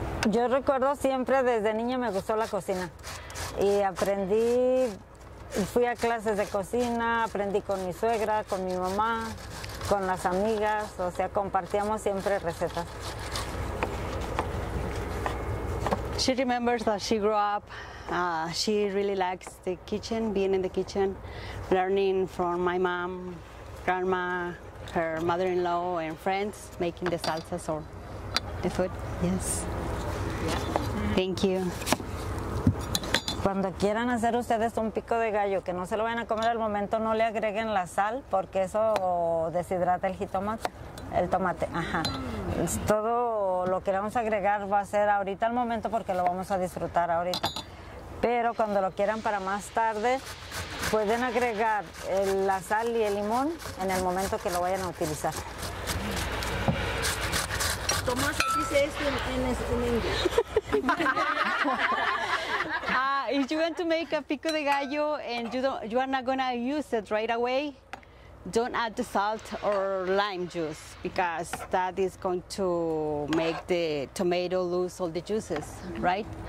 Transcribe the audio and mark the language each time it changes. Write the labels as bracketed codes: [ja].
[es] Yo recuerdo siempre, desde niña me gustó la cocina. Y aprendí, fui a clases de cocina, aprendí con mi suegra, con mi mamá, con las amigas, o sea, compartíamos siempre recetas. [en] She remembers that she grew up, she really likes the kitchen, being in the kitchen, learning from my mom, grandma, her mother-in-law and friends, making the salsas or the food. Yes. Yeah. Thank you. [es] Cuando quieran hacer ustedes un pico de gallo, que no se lo vayan a comer al momento, no le agreguen la sal, porque eso deshidrata el jitomate. El tomate, ajá. Todo lo que vamos a agregar va a ser ahorita al momento, porque lo vamos a disfrutar ahorita. Pero cuando lo quieran para más tarde, pueden agregar la sal y el limón en el momento que lo vayan a utilizar. Tomás, dice esto en inglés. [en] If you want to make a pico de gallo and you are not going to use it right away, don't add the salt or lime juice, because that is going to make the tomato lose all the juices, right?